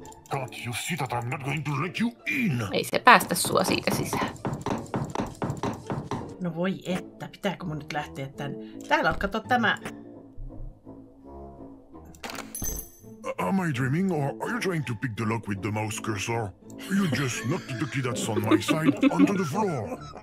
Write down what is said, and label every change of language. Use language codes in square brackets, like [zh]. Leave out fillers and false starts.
[en] God, you see that I'm not going to let you in. [fi] Ei se päästä sua siitä sisään. No voi että, pitääkö mun nyt lähteä tänne? Täällä on, kato tämä. [en] Am I dreaming or are you trying to pick the lock with the mouse cursor? You just knocked the key that's on my side onto the floor.